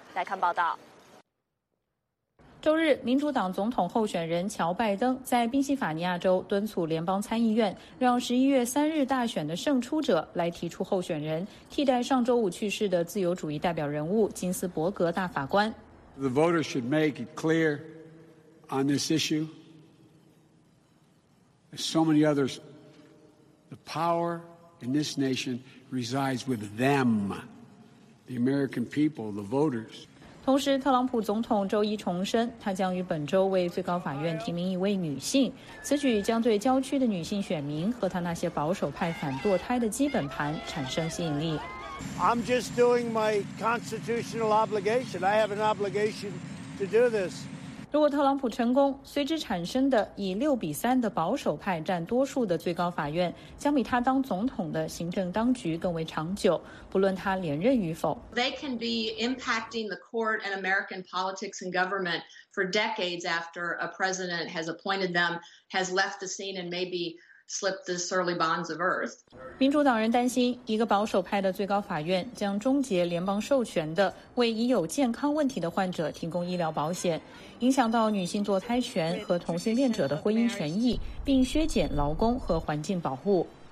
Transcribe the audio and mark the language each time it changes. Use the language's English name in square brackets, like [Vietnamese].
[Chinese] 来看报道。周日，民主党总统候选人乔·拜登在宾夕法尼亚州敦促联邦参议院让11月3日大选的胜出者来提出候选人，替代上周五去世的自由主义代表人物金斯伯格大法官。 [English] The voters should make it clear on this issue. As so many others, the power in this nation resides with them, the American people, the voters. [Chinese] 同时，特朗普总统周一重申，他将于本周为最高法院提名一位女性，此举将对郊区的女性选民和他那些保守派反堕胎的基本盘产生吸引力。 [English] I'm just doing my constitutional obligation. I have an obligation to do this. [Chinese] 如果特朗普成功，随之产生的以6-3的保守派占多数的最高法院，将比他当总统的行政当局更为长久。不论他连任与否 [English] ，They can be impacting the court and American politics and government for decades after a president has appointed them, has left the scene, and maybe. Slip the surly bonds of earth. [Chinese] 民主党人担心，一个保守派的最高法院将终结联邦授权的为已有健康问题的患者提供医疗保险，影响到女性堕胎权和同性恋者的婚姻权益，并削减劳工和环境保护。